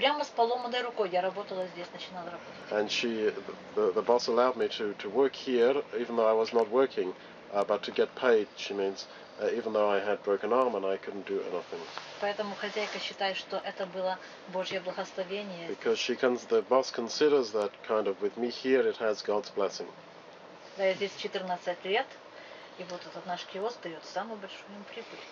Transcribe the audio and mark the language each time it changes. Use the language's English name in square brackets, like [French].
[Russian] Прямо с поломанной рукой я работала здесь, начинала работать. [English] And she, the boss allowed me to work here, even though I was not working, but to get paid, she means, even though I had broken arm and I couldn't do anything. [Russian] Поэтому хозяйка считает, что это было Божье благословение. [English] Because she can, the boss considers that kind of with me here, it has God's blessing. [Russian] Да, я здесь 14 лет. И вот этот наш киоск дает самую большую им прибыль.